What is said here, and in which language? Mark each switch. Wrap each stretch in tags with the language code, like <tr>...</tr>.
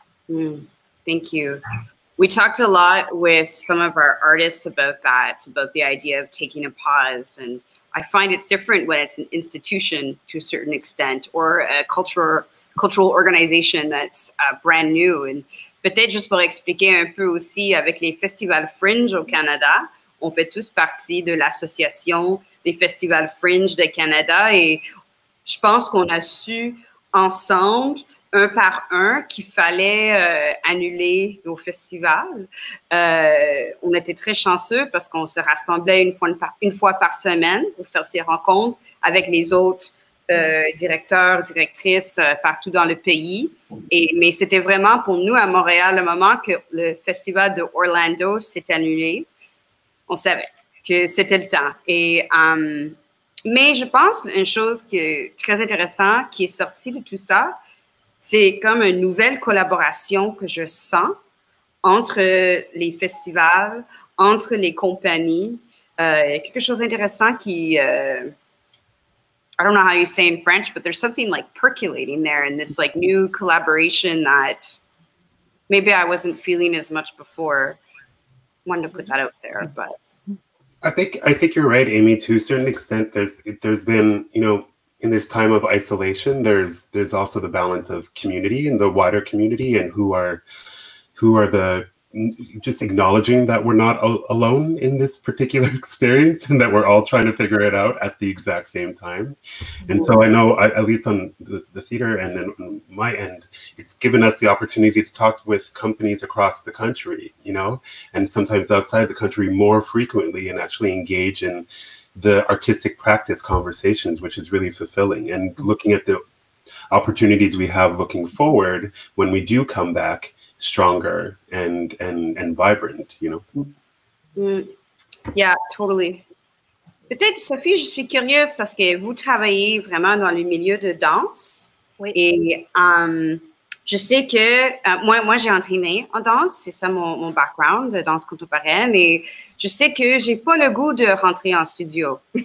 <en>Mm, thank you. We talked a lot with some of our artists about that, about the idea of taking a pause. And I find it's different when it's an institution to a certain extent or a cultural organization that's brand new.</en> <fr>And peut-être juste pour expliquer un peu aussi avec les festivals Fringe au Canada, on fait tous partie de l'association des festivals Fringe de Canada et je pense qu'on a su ensemble, un par un, qu'il fallait annuler nos festivals. On était très chanceux parce qu'on se rassemblait une fois par semaine pour faire ces rencontres avec les autres directeurs, directrices partout dans le pays. Mais c'était vraiment pour nous à Montréal le moment que le festival de Orlando s'est annulé. On savait que c'était le temps. Mais je pense une chose qui est très intéressante qui est sortie de tout ça, c'est comme une nouvelle collaboration que je sens entre les festivals, entre les compagnies. Quelque chose d'intéressant qui...</fr> <en>I don't know how you say in French, but there's something like percolating there in this like new collaboration that maybe I wasn't feeling as much before. Wanted to put that out there, but I think you're right, Amy. To a certain extent, there's been, you know, in this time of isolation, there's also the balance of community and the wider community and who are the just acknowledging that we're not alone in this particular experience and that we're all trying to figure it out at the exact same time. And so I know, at least on the theater and then on my end, it's given us the opportunity to talk with companies across the country, you know, and sometimes outside the country more frequently and actually engage in the artistic practice conversations, which is really fulfilling. And looking at the opportunities we have looking forward when we do come back, stronger and vibrant, you know. Mm. Yeah, totally.</en> <fr>Peut-être, Sophie, je suis curieuse parce que vous travaillez vraiment dans le milieu de danse. Oui. Et je sais que moi j'ai entraîné en danse, c'est ça mon background, danse contemporaine, et je sais que j'ai pas le goût de rentrer en studio.</fr>